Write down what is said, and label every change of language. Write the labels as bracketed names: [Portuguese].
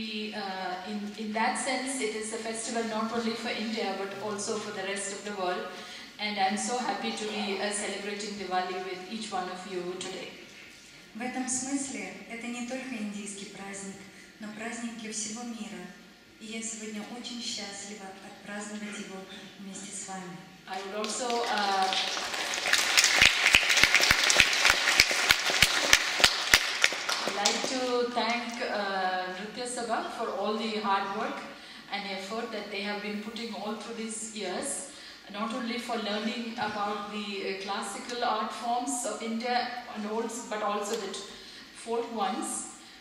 [English] In that sense, it is a festival not only for India but also for the rest of the world. And I'm so happy to be celebrating Diwali with each one of you today. [Russian] В этом смысле это не только индийский праздник, но праздник для всего мира. И я сегодня очень счастлива отпраздновать его вместе с вами. [English] I would also like to thank Nritya Sabha for all the hard work and effort that they have been putting all through these years, not only for learning about the classical art forms of India and old, but also the folk ones.